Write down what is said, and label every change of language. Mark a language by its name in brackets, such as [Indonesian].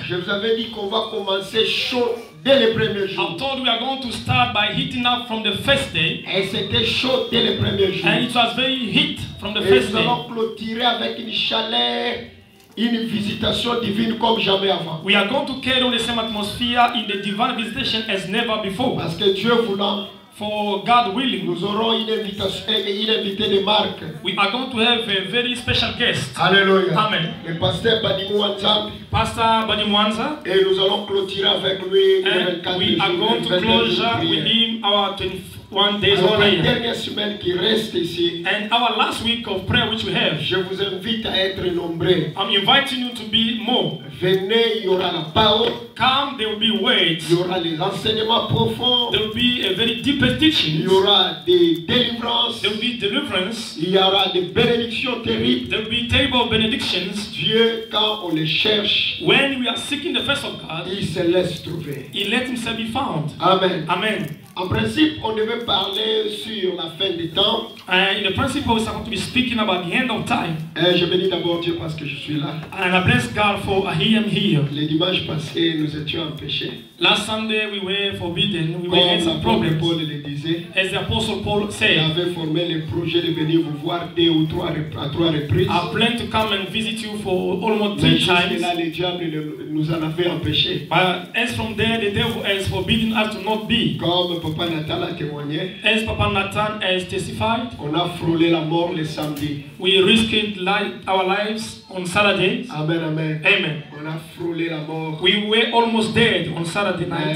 [French] je vous avais dit qu'on va commencer chaud dès le premier jour. [English] I told we are going to start by heating up from the first day. [French] Et c'était chaud dès le premier jour. [English] And it was very heat from the [French] et [English] first day. [French] Et nous allons clôturer avec une chaleur, une visitation divine comme jamais avant. [English] We are going to carry on the same atmosphere in the divine visitation as never before. [French] Parce que Dieu voulant, [English] for God willing, [French] nous aurons une invitation, une invité de marque. [English] We are going to have a very special guest. Hallelujah. Amen. [French] Le pasteur Badi Mwanza. [English] Pastor Badi Mwanza. [French] Et nous allons clôturer avec lui. [English] We are going to close with him our 21 days [French] alors, [English] of prayer. [French] La dernière semaine qui reste ici. [English] And our last week of prayer which we have. [French] Je vous invite à être nombreux. [English] I'm inviting you to be more. [French] Venez, il y aura la parole. [English] Come, there will be words. [French] Il y aura les enseignements profonds. [English] There will be a very deep teaching. [French] Il y aura des délivrances. [English] There will be deliverance. [French] Il y aura des bénédictions terribles. [English] There will be terrible benedictions. [French] Dieu, quand on les cherche, [English] when we are seeking the face of God, [French] il se laisse trouver. [English] He let himself be found. Amen. Amen. [French] En principe, on devait parler sur la fin des temps. [English] In the principle, we are going to be speaking about the end of time. [French] Et je bénis d'abord Dieu parce que je suis là. [English] And I bless God for I am here. [French] Les dimanches passés, nous étions en péché. [English] Last Sunday, we were forbidden. We [French] comme [English] were in some problems. [French] Paul le disait, [English] as the Apostle Paul said, [French] il avait formé le projet de venir vous voir deux ou trois à trois reprises. [English] I planned to come and visit you for almost three [French] mais [English] times. [French] Mais là, le diable nous en avait empêché. [English] But as from there, the devil has forbidden us to not be. [French] Comme Papa Nathan a témoigné, [English] as Papa Nathan has testified, [French] on a frôlé la mort le samedi. [English] We risked our lives on Saturday. Amen, amen. Amen. [French] On a frôlé la mort. [English] We were almost dead on Saturday night.